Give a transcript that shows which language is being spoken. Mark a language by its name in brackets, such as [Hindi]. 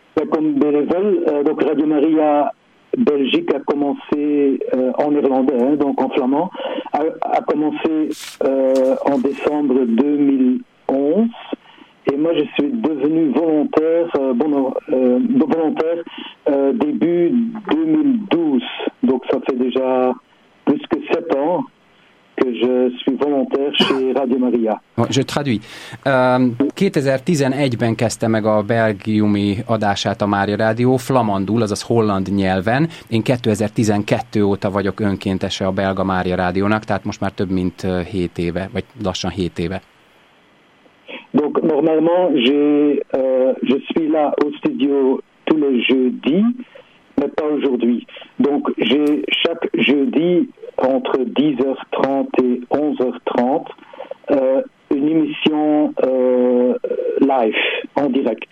[French] Comme bénévole, donc Radio Maria Belgique a commencé en irlandais, hein, donc en flamand, a commencé en décembre 2011. Et moi, je suis devenu volontaire début 2012. Donc, ça fait déjà plus que 7 ans que je suis volontaire chez Radio Maria. Je traduis. [Hungarian] 2011-ben kezdte meg a belgiumi adását a Mária Rádió, flamandul, azaz holland nyelven. Én 2012 óta vagyok önkéntese a belga Mária Rádiónak, tehát most már több mint 7 éve, vagy lassan 7 éve. [French] Donc normalement, je suis là au studio tous les jeudis, mais pas aujourd'hui. Donc j'ai chaque jeudi entre 10h30 et 11h30 une émission live, en direct.